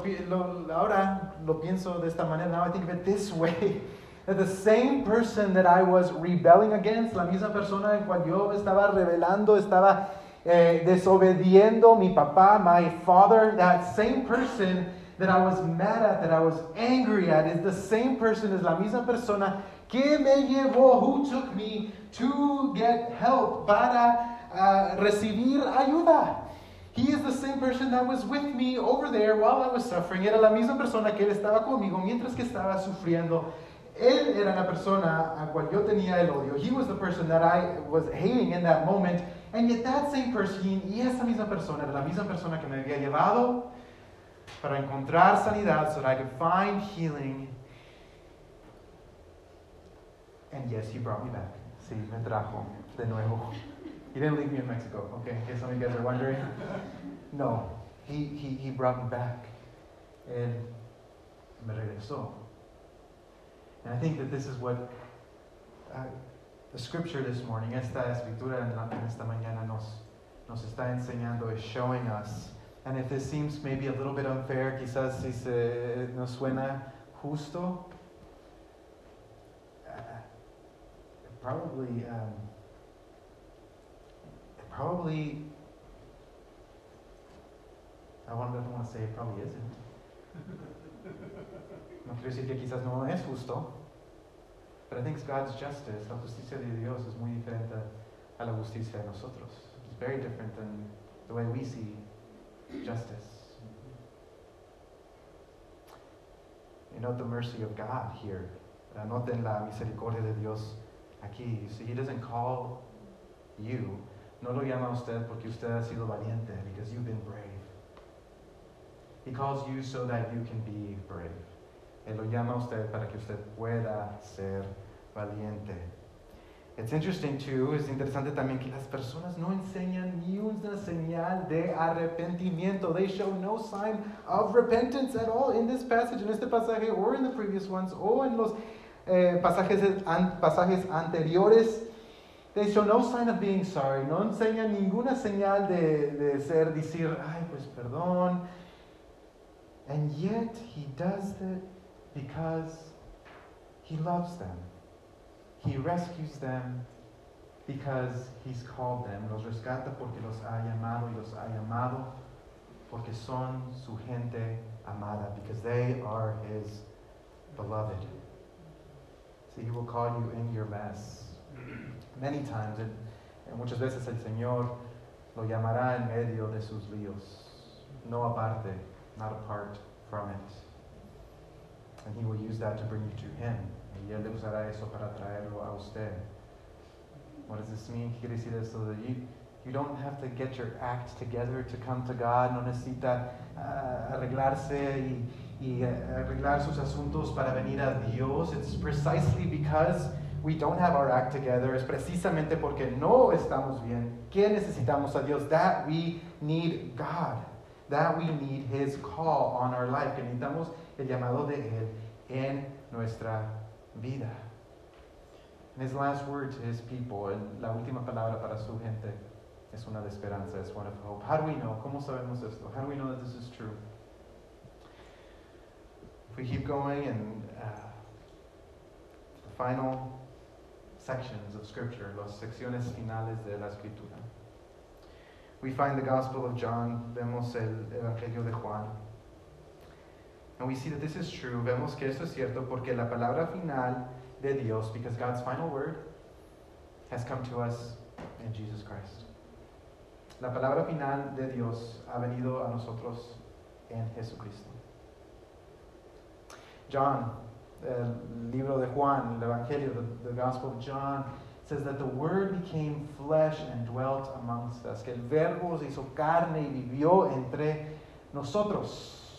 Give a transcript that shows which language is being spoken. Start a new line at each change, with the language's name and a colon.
Spanish: ahora lo pienso de esta manera,
English: now I think of it this way, that the same person that I was rebelling against,
Spanish: la misma persona en cual yo estaba rebelando, estaba desobediendo, mi papá,
English: my father, that same person that I was mad at, that I was angry at, is the same person, is
Spanish: la misma persona que me llevó,
English: who took me to get help,
Spanish: para recibir ayuda.
English: He is the same person that was with me over there while I was suffering.
Spanish: Era la misma persona que él estaba conmigo mientras que estaba sufriendo. Él era la persona a cual yo tenía el odio.
English: He was the person that I was hating in that moment. And yet that same person,
Spanish: y esa misma persona, era la misma persona que me había llevado para encontrar sanidad
English: so that I could find healing. And yes, he brought me back.
Spanish: Sí, me trajo de nuevo.
English: He didn't leave me in Mexico, okay? In case some of you guys are wondering. No, he brought me back.
Spanish: Él me regresó.
English: And I think that this is what the scripture this morning,
Spanish: esta escritura en esta mañana nos está enseñando,
English: is showing us. And if this seems maybe a little bit unfair,
Spanish: quizás si se nos suena justo,
English: probably, I don't want to say it probably isn't.
Spanish: No quiero decir que quizás no es justo.
English: But I think God's justice,
Spanish: la justicia de Dios, is muy diferente a la justicia de nosotros.
English: It's very different than the way we see justice. You note the mercy of God here.
Spanish: Anoten la misericordia de Dios aquí.
English: You see, He doesn't call you.
Spanish: No lo llama usted porque usted ha sido valiente,
English: because you've been brave. He calls you so that you can be brave.
Spanish: Él lo llama usted para que usted pueda ser valiente.
English: It's interesting too,
Spanish: es interesante también que las personas no enseñan ni una señal de arrepentimiento.
English: They show no sign of repentance at all in this passage,
Spanish: en este pasaje,
English: or in the previous ones,
Spanish: o en los pasajes anteriores.
English: They show no sign of being sorry.
Spanish: No enseñan ninguna señal de decir, ay, pues perdón.
English: And yet, He does it because He loves them. He rescues them because He's called them.
Spanish: Los rescata porque los ha llamado y los ha llamado porque son su gente amada,
English: because they are His beloved. See, He will call you in your mess. Many times, and
Spanish: muchas veces el Señor Lo llamará en medio de sus líos. No aparte,
English: not apart from it. And he will use that to bring you to him.
Spanish: Y él usará eso para traerlo a usted.
English: What does this mean?
Spanish: ¿Qué quiere decir esto?
English: You don't have to get your act together to come to God.
Spanish: No necesita arreglarse y arreglar sus asuntos para venir a Dios.
English: It's precisely because we don't have our act together.
Spanish: Es precisamente porque no estamos bien. ¿Qué necesitamos a Dios?
English: That we need God. That we need his call on our life.
Spanish: Que necesitamos el llamado de él en nuestra vida.
English: And his last word to his people, and
Spanish: la última palabra para su gente, es una de esperanza, es
English: one of hope. How do we know?
Spanish: ¿Cómo sabemos esto?
English: How do we know that this is true? If we keep going and the final sections of Scripture,
Spanish: las secciones finales de la Escritura,
English: we find the Gospel of John,
Spanish: vemos el Evangelio de Juan,
English: and we see that this is true.
Spanish: Vemos que esto es cierto porque la palabra final de Dios,
English: because God's final word has come to us in Jesus Christ.
Spanish: La palabra final de Dios ha venido a nosotros en Jesucristo.
English: John,
Spanish: el libro de Juan, el Evangelio,
English: the Gospel of John, says that the word became flesh and dwelt amongst us.
Spanish: Que el verbo se hizo carne y vivió entre nosotros.